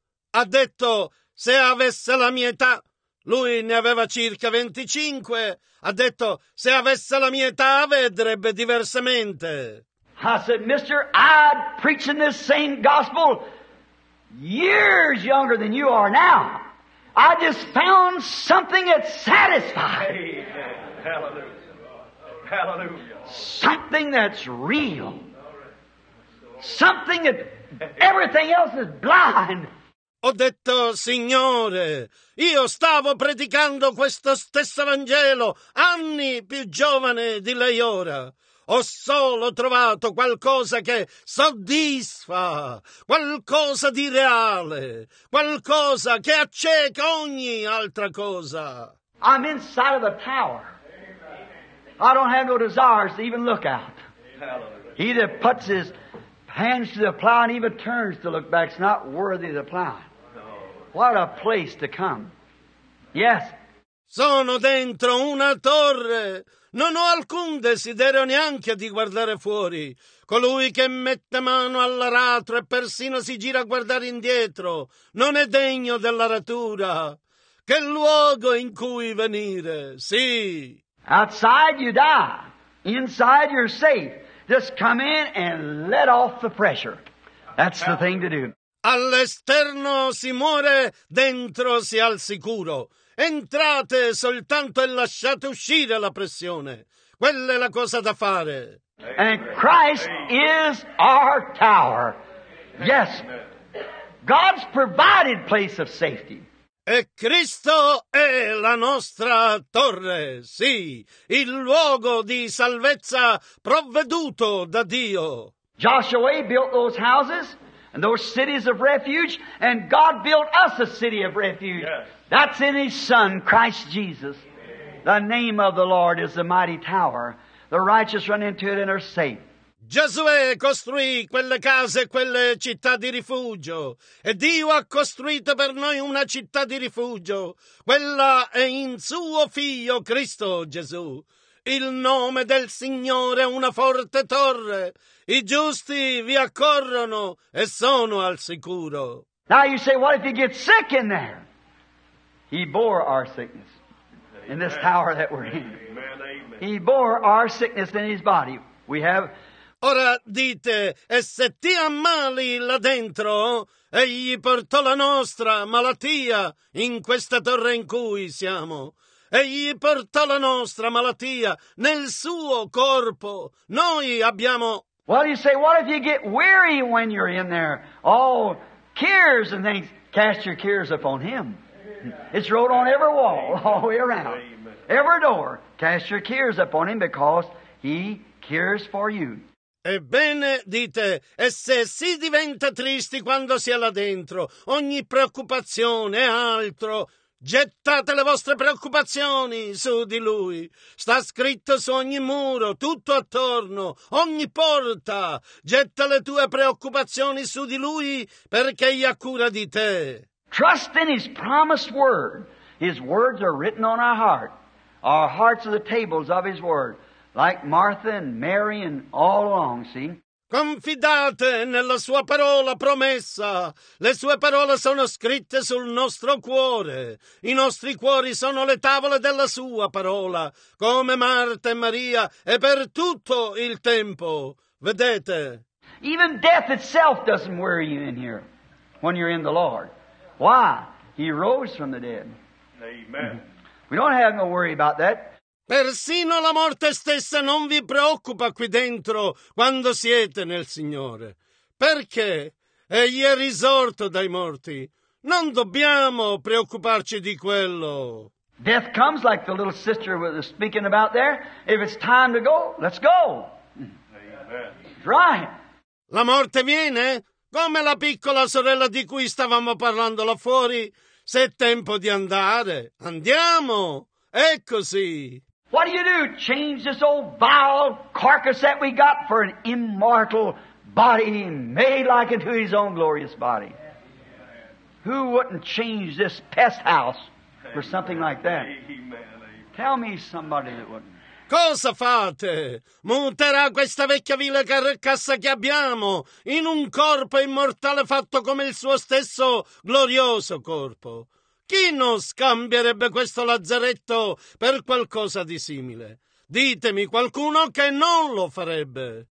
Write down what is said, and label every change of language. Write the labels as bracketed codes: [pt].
[it] Ha detto, se avesse la mia età, lui ne aveva circa 25. Ha detto, se avesse la mia età, vedrebbe diversamente. [en] I said, mister, I'd preach in this same gospel years younger than you are now. I just found something that satisfied. Amen. Hallelujah. Hallelujah. Something that's real. Something that everything else is blind. [it] Ho detto, Signore, io stavo predicando questo stesso Vangelo anni più giovane di lei ora. Ho solo trovato qualcosa che soddisfa, qualcosa di reale, qualcosa che acceca ogni altra cosa. [en] I'm inside of the tower. I don't have no desires to even look out. He that puts his hands to the plow and even turns to look back is not worthy of the plow. What a place to come. Yes. [it] Sono dentro una torre. Non ho alcun desiderio neanche di guardare fuori. Colui che mette mano all'aratro e persino si gira a guardare indietro non è degno dell'aratura. Che luogo in cui venire. Sì. [en] Outside you die. Inside you're safe. Just come in and let off the pressure. That's the thing to do. [it] All'esterno si muore, dentro si è al sicuro. Entrate soltanto e lasciate uscire la pressione. Quella è la cosa da fare. [en] And Christ is our tower. Yes, God's provided place of safety. [it] E Cristo è la nostra torre, sì, il luogo di salvezza provveduto da Dio. [en] Joshua built those houses. And those cities of refuge, and God built us a city of refuge. Yes. That's in His Son, Christ Jesus. Amen. The name of the Lord is the mighty tower. The righteous run into it and are safe. [it] Giosuè costruì quelle case e quelle città di rifugio, e Dio ha costruito per noi una città di rifugio. Quella è in Suo Figlio Cristo Gesù. Il nome del Signore è una forte torre. I giusti vi accorrono e sono al sicuro. [en] Now you say, what if you get sick in there? He bore our sickness in this tower that we're in. He bore our sickness in His body. We have. [it] Ora dite, e se ti ammali là dentro, egli portò la nostra malattia in questa torre in cui siamo. Egli portò la nostra malattia nel suo corpo. Noi abbiamo... [en] Well, you say, what if you get weary when you're in there? All cares and things, cast your cares upon Him. It's wrote on every wall, all the way around. Every door, cast your cares upon Him because He cares for you. [it] Ebbene, dite, e se si diventa tristi quando si è là dentro, ogni preoccupazione, altro, gettate le vostre preoccupazioni su di Lui. Sta scritto su ogni muro, tutto attorno, ogni porta. Getta le tue preoccupazioni su di Lui perché Egli ha cura di te. [en] Trust in His promised word. His words are written on our heart. Our hearts are the tables of His word. Like Martha and Mary and all along, see? [it] Confidate nella sua parola promessa. Le sue parole sono scritte sul nostro cuore. I nostri cuori sono le tavole della sua parola, come Marta e Maria, e per tutto il tempo. Vedete? [en] Even death itself doesn't worry you in here when you're in the Lord. Why? He rose from the dead. Amen. We don't have no worry about that. [it] Persino la morte stessa non vi preoccupa qui dentro quando siete nel Signore. Perché Egli è risorto dai morti. Non dobbiamo preoccuparci di quello. [en] Death comes like the little sister was speaking about there. If it's time to go, let's go. Amen. Right. [it] La morte viene come la piccola sorella di cui stavamo parlando là fuori. Se è tempo di andare, andiamo. È così. [en] What do you do? Change this old vile carcass that we got for an immortal body made like unto His own glorious body. Who wouldn't change this pest house for something like that? Tell me somebody that wouldn't. [it] Cosa fate? Muterà questa vecchia vile carcassa che abbiamo in un corpo immortale fatto come il suo stesso glorioso corpo. Chi non scambierebbe questo lazzaretto per qualcosa di simile? Ditemi qualcuno che non lo farebbe.